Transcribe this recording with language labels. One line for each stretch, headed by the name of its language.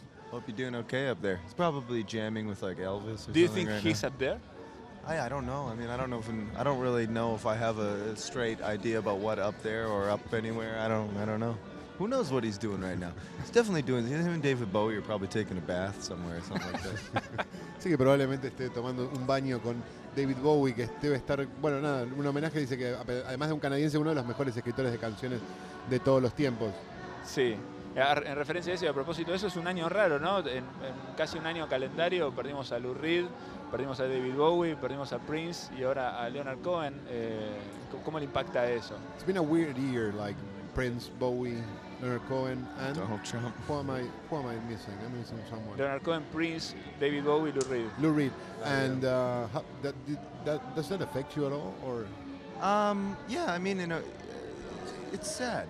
English: Hope you're doing okay up there. He's probably jamming with like Elvis or something. Do you think right he's now up there? I don't know. I mean, I don't know I don't really know if I have a straight idea about what up there or up anywhere. I don't know. Who knows what he's doing right now? He's definitely doing. Him and David Bowie are probably taking a bath somewhere or something like that.
Spanish: Sí, que probablemente esté tomando un baño con David Bowie, que debe estar, bueno, nada, un homenaje, dice que además de un canadiense, uno de los mejores escritores de canciones de todos los tiempos. Sí, en referencia a eso, y a propósito de eso, es un año raro, ¿no? En casi un año calendario perdimos a Lou Reed, perdimos a David Bowie, perdimos a Prince, y ahora a Leonard Cohen. ¿Cómo le impacta eso?
English: It's been a weird year, like Prince, Bowie, Leonard Cohen, and Donald Trump. Who am I missing? I'm missing someone. Leonard Cohen, Prince, David Bowie, Lou Reed. Lou Reed. And does that affect you at all? Or? Yeah, I mean, you know, it's sad.